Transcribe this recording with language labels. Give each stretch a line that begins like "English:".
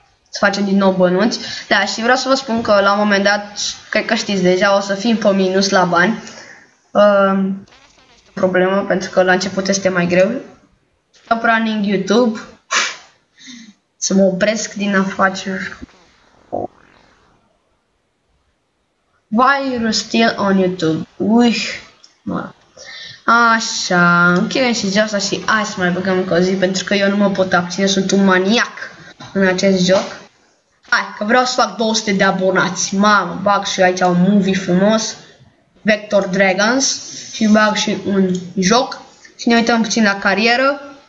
Romanian: Să facem din nou bănuți. Da, și vreau să vă spun că la un moment dat, cred că știți deja, o să fim pe minus la bani. Problemă, pentru că la început este mai greu.
English: Stop running YouTube.
Romanian: Să mă opresc din afaceri.
English: Why are you still on YouTube? Uih.
Romanian: Așa, încheiem și jos și hai să mai băgăm încă o zi, pentru că eu nu mă pot abține, sunt un maniac în acest joc. Hai, că vreau să fac 200 de abonați. Mamă, bag și aici un movie frumos. Vector Dragons și bag și un joc și ne uităm puțin la carieră.